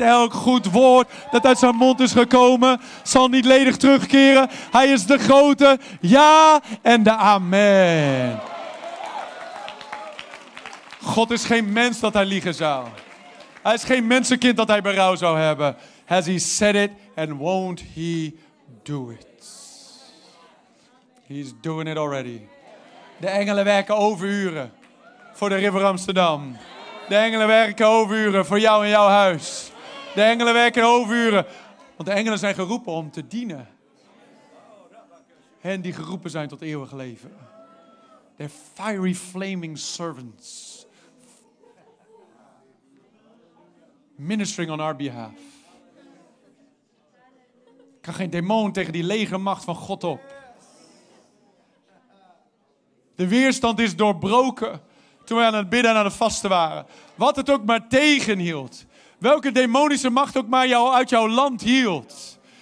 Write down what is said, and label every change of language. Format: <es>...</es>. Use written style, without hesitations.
<nl>Elk goed woord dat uit zijn mond is gekomen, zal niet ledig terugkeren. Hij is de grote ja en de amen. God is geen mens dat hij liegen zou. Hij is geen mensenkind dat hij berouw zou hebben.</nl> <en>Has he said it and won't he do it? He's doing it already.</en> <nl>De engelen werken overuren voor de River Amsterdam. De engelen werken overuren voor jou en jouw huis. De engelen werken overuren. Want de engelen zijn geroepen om te dienen. Hen die geroepen zijn tot eeuwig leven.</nl> <en>They're fiery flaming servants. Ministering on our behalf.</en> <nl>kan geen demon tegen die legermacht van God op. De weerstand is doorbroken toen wij aan het bidden en aan het vasten waren. Wat het ook maar tegenhield. Welke demonische macht ook maar jou uit jouw land hield.</nl>